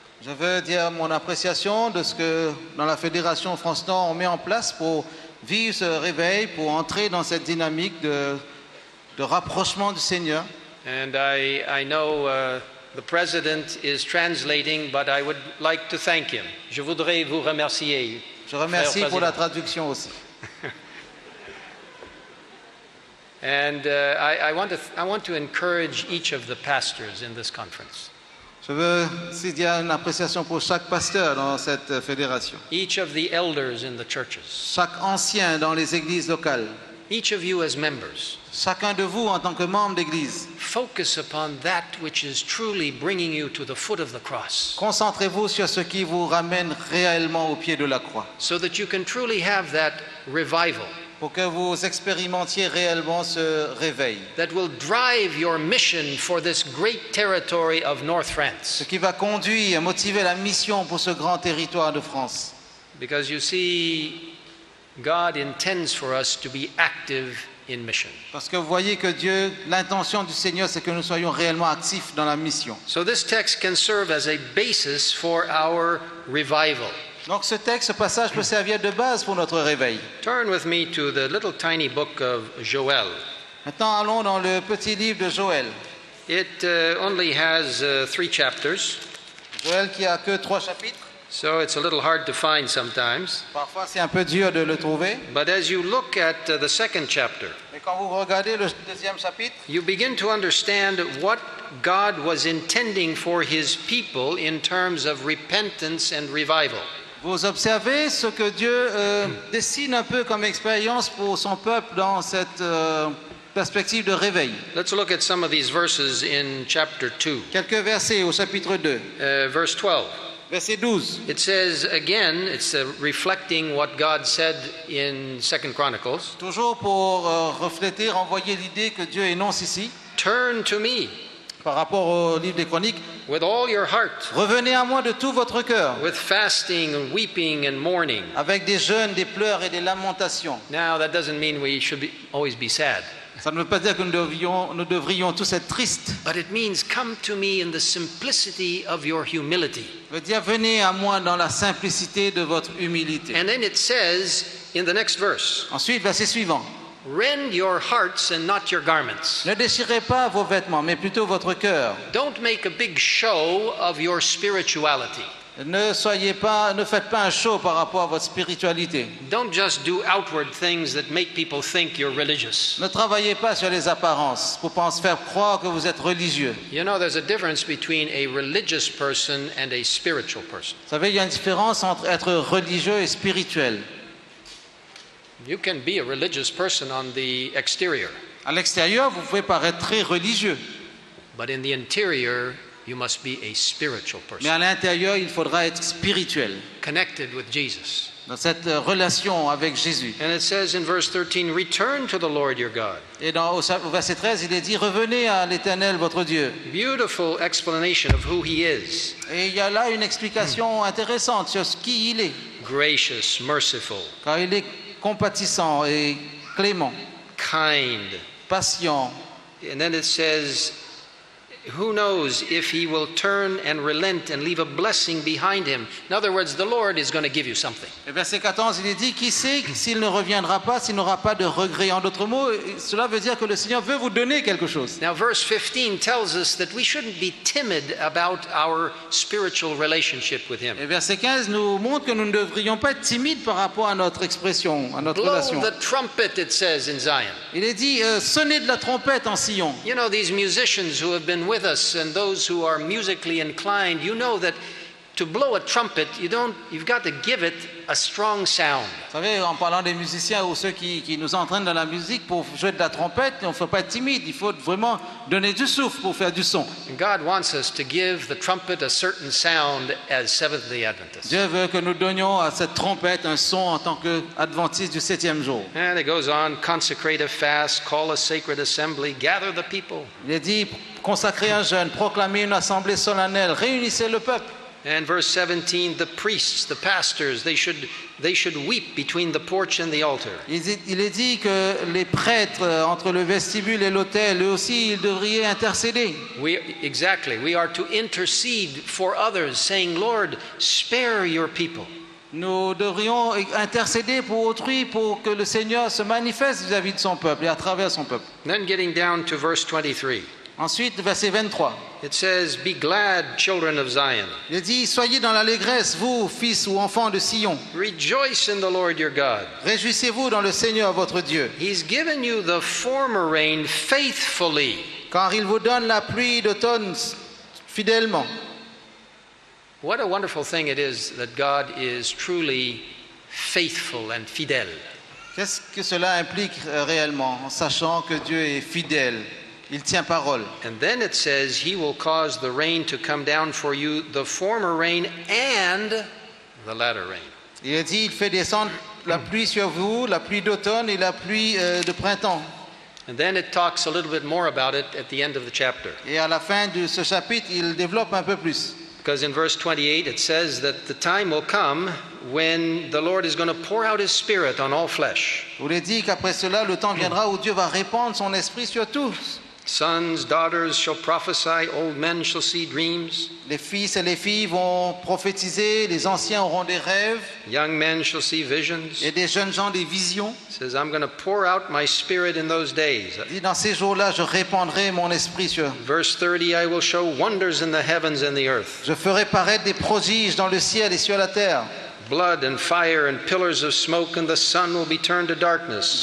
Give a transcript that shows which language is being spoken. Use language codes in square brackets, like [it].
[fr] Je veux dire mon appréciation de ce que dans la Fédération France Nord on met en place pour vivre ce réveil pour entrer dans cette dynamique de rapprochement du Seigneur. [en] And I know the president is translating, but I would like to thank him. [fr] Je voudrais vous remercier. Je remercie pour la traduction aussi. [en] And I want to encourage each of the pastors in this conference. [fr] Je veux s'il y a une appréciation pour chaque pasteur dans cette fédération. [en] Each of the elders in the churches. [fr] Chaque ancien dans les églises locales. [en] Each of you as members. [fr] Chacun de vous en tant que membre d'église. [en] Focus upon that which is truly bringing you to the foot of the cross. [fr] Concentrez-vous sur ce qui vous ramène réellement au pied de la croix. [en] So that you can truly have that revival. [fr] Pour que vous expérimentiez réellement ce réveil. [en] That will drive your mission for this great territory of North France. [fr] Ce qui va conduire et motiver la mission pour ce grand territoire de France. [en] Because you see, God intends for us to be active in mission. [fr] Parce que vous voyez que Dieu, l'intention du Seigneur, c'est que nous soyons réellement actifs dans la mission. [en] So this text can serve as a basis for our revival. [fr] Donc ce texte, ce passage peut servir de base pour notre réveil. [en] Turn with me to the little tiny book of Joel. [fr] Maintenant, allons dans le petit livre de Joël. [en] It only has three chapters. [fr] Joël qui a que trois chapitres. [en] So it's a little hard to find sometimes. [fr] Parfois, c'est un peu dur de le trouver. [en] But as you look at the second chapter, [fr] mais quand vous regardez le deuxième chapitre, [en] you begin to understand what God was intending for his people in terms of repentance and revival. [fr] Vous observez ce que Dieu dessine un peu comme expérience pour son peuple dans cette perspective de réveil. [en] Let's look at some of these verses in chapter 2. [fr] Quelques versets au chapitre 2. [en] Verse 12. [fr] Verset 12. [en] It says again, it's reflecting what God said in 2 Chronicles. [fr] Toujours pour refléter, renvoyer l'idée que Dieu énonce ici. [en] Turn to me. [fr] Par rapport au livre des Chroniques. [en] With all your heart. [fr] Revenez à moi de tout votre cœur. [en] With fasting, weeping and mourning. [fr] Avec des jeûnes, des pleurs et des lamentations. [en] Now that doesn't mean we should be, always be sad. [fr] Ça ne veut pas dire que nous devrions tous être tristes. [en] But it means come to me in the simplicity of your humility. [fr] Ça veut dire venez à moi dans la simplicité de votre humilité. [en] And then it says in the next verse. [fr] Ensuite, verset suivant. [en] Rend your hearts and not your garments. [fr] Ne déchirez pas vos vêtements, mais plutôt votre cœur. [en] Don't make a big show of your spirituality. [fr] Ne faites pas un show par rapport à votre spiritualité. [en] Don't just do outward things that make people think you're religious. [fr] Ne travaillez pas sur les apparences pour faire croire que vous êtes religieux. [en] You know, there's a difference between a religious person and a spiritual person. [fr] Vous savez, il y a une différence entre être religieux et spirituel. [en] You can be a religious person on the exterior. [fr] À l'extérieur, vous pouvez paraître très religieux. [en] But in the interior, you must be a spiritual person. [fr] Mais à l'intérieur, il faudra être spirituel. [en] Connected with Jesus. [fr] Dans cette relation avec Jésus. [en] And it says in verse 13, return to the Lord your God. [fr] Et dans au verset 13, il est dit, revenez à l'Éternel votre Dieu. [en] Beautiful explanation of who he is. [fr] Et il y a là une explication intéressante sur ce qui il est. [en] Gracious, merciful. [fr] Car il est compatissant et clément. [en] Kind. Patient. And then it says, who knows if he will turn and relent and leave a blessing behind him. In other words, the Lord is going to give you something. [fr] Et verset 14, il est dit, qui sait s'il ne reviendra pas, s'il n'aura pas de regret. En d'autres mots, cela veut dire que le Seigneur veut vous donner quelque chose. [en] Now verse 15 tells us that we shouldn't be timid about our spiritual relationship with him. [fr] Et verset 15 nous montre que nous ne devrions pas être timides par rapport à notre expression, à notre [en] blow [fr] relation. [en] Blow the trumpet, it says in Zion. [fr] Il est dit, sonnez de la trompette en Sion. [en] You know, these musicians who have been with us and those who are musically inclined, you know that to blow a trumpet, you've got to give it a strong sound. [fr] Vous savez, en parlant des musiciens ou ceux qui nous entraînent dans la musique pour jouer de la trompette, on ne faut pas être timide, il faut vraiment donner du souffle pour faire du son. [en] God wants us to give the trumpet a certain sound as Seventh-day Adventists. [fr] Dieu veut que nous donnions à cette trompette un son en tant qu'Adventiste du septième jour. [en] And it goes on, consecrate a fast, call a sacred assembly, gather the people. [fr] Il est dit, consacrez un jeûne, proclamez une assemblée solennelle, réunissez le peuple. [en] And verse 17, the priests, the pastors, they should weep between the porch and the altar. [fr] Il est dit que les prêtres entre le vestibule et l'autel, eux aussi, ils devraient intercéder. [en] We are to intercede for others, saying, Lord, spare your people. [fr] Nous devrions intercéder pour autrui pour que le Seigneur se manifeste vis-à-vis de son peuple et à travers son peuple. [en] Then getting down to verse 23. [fr] Ensuite, verset 23. [en] It says, "Be glad, children of Zion." [fr] Il dit, soyez dans l'allégresse, vous, fils ou enfants de Sion. [en] Rejoice in the Lord your God. [fr] Réjouissez-vous dans le Seigneur votre Dieu. [en] He's given you the former rain faithfully. [fr] Car il vous donne la pluie d'automne fidèlement. [en] What a wonderful thing it is that God is truly faithful and fidèle. [fr] Qu'est-ce que cela implique réellement, en sachant que Dieu est fidèle? Il tient parole. [en] And then it says he will cause the rain to come down for you, the former rain and the latter rain. [fr] Il dit, il fait descendre la pluie sur vous, la pluie d'automne et la pluie de printemps. [en] And then it talks a little bit more about it at the end of the chapter. [fr] Et à la fin de ce chapitre, il développe un peu plus. [en] Because in verse 28 it says that the time will come when the Lord is going to pour out His Spirit on all flesh. [fr] Il est dit qu'après cela, le temps viendra où Dieu va répandre son esprit sur tous. [en] Sons, daughters shall prophesy, old men shall see dreams. [fr] Les fils et les filles vont prophétiser, les anciens auront des rêves. [en] Young men shall see visions. [fr] Et des jeunes gens des visions. [en] It says, I'm going to pour out my spirit in those days. [fr] Et dans ces jours-là, je répandrai mon esprit sur. [en] Verse 30, I will show wonders in the heavens and the earth. [fr] Je ferai paraître des prodiges dans le ciel et sur la terre. [en] Blood and fire and pillars of smoke, and the sun will be turned to darkness.